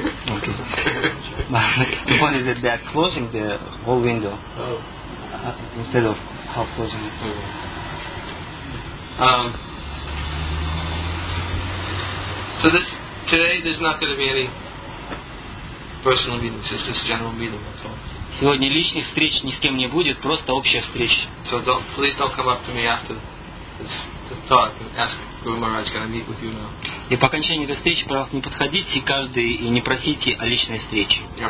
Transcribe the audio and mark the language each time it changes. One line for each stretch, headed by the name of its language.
English: The point is that they are closing the whole window instead of half closing it. So this today there's not going to be any personal meetings, just this general meeting, that's all.
Russian: Сегодня личных встреч ни с кем не будет, просто общая встреча.
English: So don't, please don't come up to me after this talk and ask Guru Maharaj, can I meet with you now?
Russian: И по окончании этой встречи, пожалуйста, не подходите каждый и не просите о личной встрече.